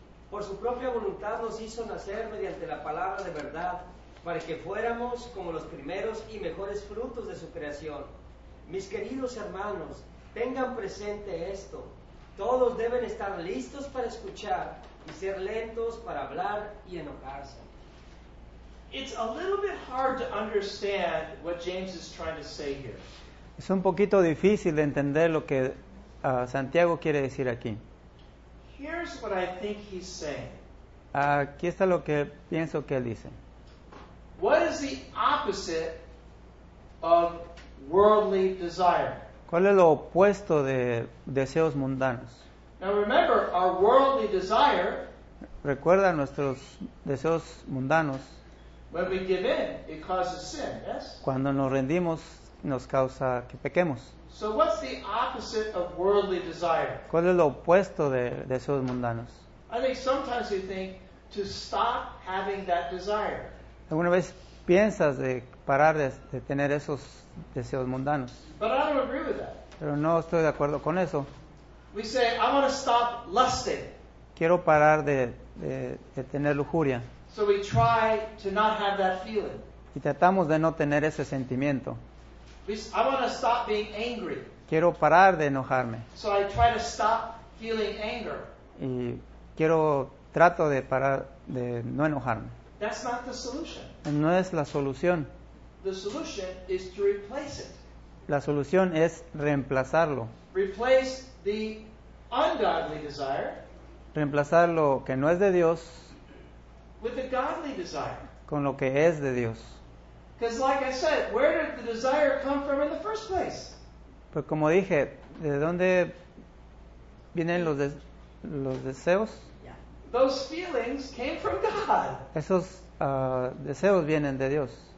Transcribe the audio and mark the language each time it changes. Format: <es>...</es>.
<es>Por su propia voluntad nos hizo nacer mediante la palabra de verdad, para que fuéramos como los primeros y mejores frutos de su creación. Mis queridos hermanos, tengan presente esto. Todos deben estar listos para escuchar y ser lentos para hablar y enojarse.</es> <en>It's a little bit hard to understand what James is trying to say here.</en> <es>Es un poquito difícil de entender lo que Santiago quiere decir aquí.</es> <en>Here's what I think he's saying.</en> <es>Aquí está lo que pienso que él dice.</es> <en>What is the opposite of worldly desire?</en> <es>¿Cuál es lo opuesto de deseos mundanos?</es> <en>Now remember, our worldly desire.</en> <es>Recuerda nuestros deseos mundanos.</es> <en>When we give in, it causes sin, yes?</en> <es>Cuando nos rendimos, nos causa que pequemos.</es> <en>So what's the opposite of worldly desire?</en> <es>¿Cuál es lo opuesto de deseos mundanos?</es> <en>I think sometimes you think to stop having that desire.</en> <es>¿Alguna vez piensas de parar de tener esos deseos mundanos?</es> <en>But I don't agree with that.</en> <es>Pero no estoy de acuerdo con eso.</es> <en>We say, I want to stop lusting.</en> <es>Quiero parar de tener lujuria.</es> <en>So we try to not have that feeling.</en> <es>Y tratamos de no tener ese sentimiento.</es> <en>I want to stop being angry.</en> <es>Quiero parar de enojarme.</es> <en>So I try to stop feeling anger.</en> <es>Y quiero, trato de parar de no enojarme.</es> <en>That's not the solution.</en> <es>No es la solución.</es> <en>The solution is to replace it.</en> <es>La solución es reemplazarlo.</es> <en>Replace the ungodly desire.</en> <es>Reemplazar lo que no es de Dios.</es> <en>With a godly desire.</en> <es>Con lo que es de Dios.</es> <en>Because like I said, where did the desire come from in the first place?</en> <es>Pues como dije, ¿de dónde vienen los deseos?</es> <en>Yeah. Those feelings came from God.</en> <es>Esos deseos vienen de Dios.</es>